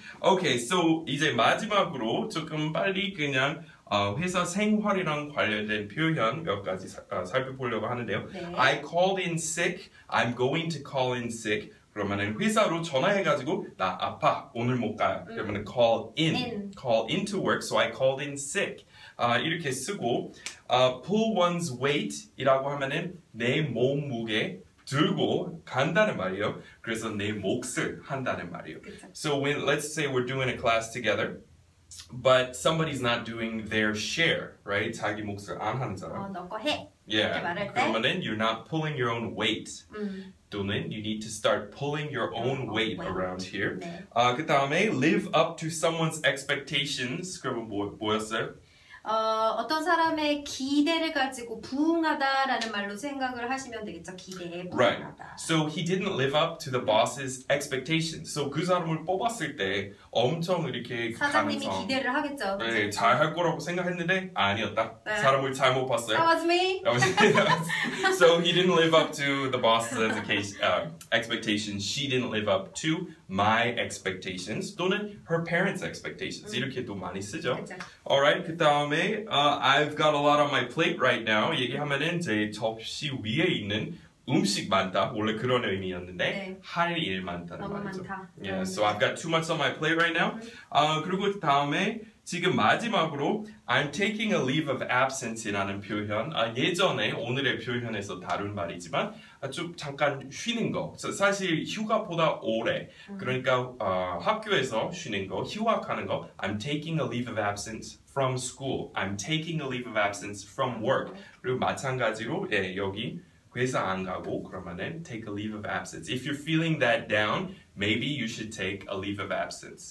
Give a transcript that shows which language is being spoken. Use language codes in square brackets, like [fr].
[ko] Okay, so 이제 마지막으로 조금 빨리 그냥 회사 생활이랑 관련된 표현 몇 가지 살펴보려고 하는데요. 네. [en] I called in sick. I'm going to call in sick. [ko] 그러면은 회사로 전화해가지고 나 아파 오늘 못 가요. [en] 그러면은 call in. Call into work. So I called in sick. [ko] 이렇게 쓰고 [en] pull one's weight [ko] 이라고 하면은 내 몸무게 들고 간다는 말이에요. 그래서 내 몫을 한다는 말이에요. 그쵸. [en] So when, let's say we're doing a class together, but somebody's not doing their share, right? [ko] 자기 몫을 안 하는 사람. 너 거 해. [en] Yeah. [ko] 이렇게 말할 때. [en] 그러면은 you're not pulling your own weight. 또는 you need to start pulling your own weight around here. [ko] 네. 그 다음에 [en] live up to someone's expectations. [ko] 그러면 뭐였어요? 어떤 사람의 기대를 가지고 부응하다라는 말로 생각을 하시면 되겠죠. 기대에 부응하다. [en] Right. So he didn't live up to the boss's expectations. [ko] So 그 사람을 뽑았을 때 엄청 이렇게 사장님이 가능성, 기대를 하겠죠. 네, 잘할 거라고 생각했는데 아니었다. 네. 사람을 잘못 봤어요. [en] That was me. So he didn't live up to the boss's expectations. She didn't live up to my expectations. 또는 her parents' expectations. [ko] 이렇게도 많이 쓰죠. 그쵸. [en] Alright, [ko] 그 다음에 [en] I've got a lot on my plate right now. [ko] 얘기하면은 제 접시 위에 있는 음식 많다. 원래 그런 의미였는데 네. 할 일 많다는 말이죠. 너무 많다. [en] Yeah, [ko] 네. [en] So I've got too much on my plate right now. [ko] 그리고 다음에 지금 마지막으로 [en] I'm taking a leave of absence이라는 표현. [ko] 예전에 오늘의 표현에서 다룬 말이지만 좀 잠깐 쉬는 거. 사실 휴가보다 오래. 그러니까 학교에서 쉬는 거, 휴학하는 거. [en] I'm taking a leave of absence from school. I'm taking a leave of absence from work. [ko] 그리고 마찬가지로 예, 여기 회사 안 가고 그러면은 [en] take a leave of absence. If you're feeling that down, maybe you should take a leave of absence.